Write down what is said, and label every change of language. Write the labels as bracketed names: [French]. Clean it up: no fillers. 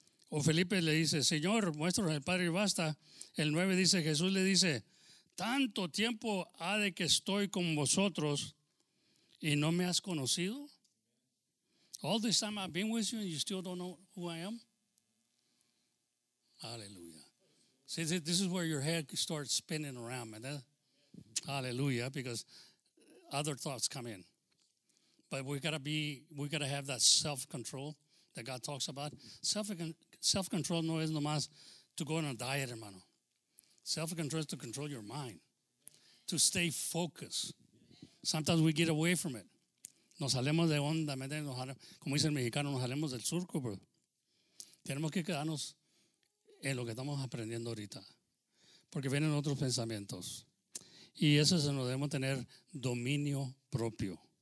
[Spanish] O Felipe le dice, Señor, muéstranos el Padre y basta. El 9 dice, Jesús le dice, tanto tiempo ha de que estoy con vosotros y no me has conocido. [English] All this time I've been with you and you still don't know who I am. Aleluya. See, this is where your head starts spinning around, man. Hallelujah, because other thoughts come in. But we gotta have that self-control that God talks about. Self-control [Spanish] no es nomás [English] to go on a diet, hermano. Self-control is to control your mind, to stay focused. Sometimes we get away from it. [Spanish] Nos salemos de onda, como dice el mexicano, nos salemos del surco, bro. Tenemos que quedarnos en lo que estamos aprendiendo ahorita, porque vienen otros pensamientos, y eso se nos debemos tener dominio propio.